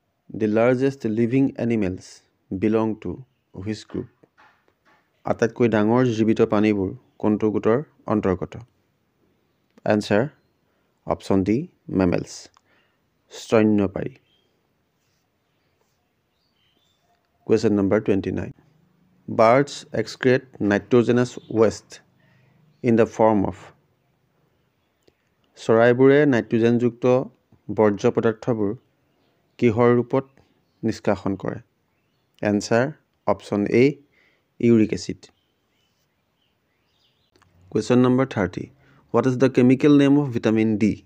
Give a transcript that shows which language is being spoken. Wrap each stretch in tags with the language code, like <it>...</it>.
<en>The largest living animals belong to which group?</en> <as>আটাইতকৈ ডাঙৰ জীৱিত প্ৰাণীবোৰ কোনটো গোটৰ অন্তৰ্গত?</as> <en>Answer: Option D, mammals. স্তন্যপায়ী. Question number 29. Birds excrete nitrogenous waste in the form of.</en> <as>চৰাইবোৰে নাইট্ৰজেনযুক্ত বৰ্জ্য পদাৰ্থবোৰ কিহৰ ৰূপত নিষ্কাশন কৰে?</as> <en>Answer: Option A, uric acid. Question number 30. What is the chemical name of vitamin D?</en>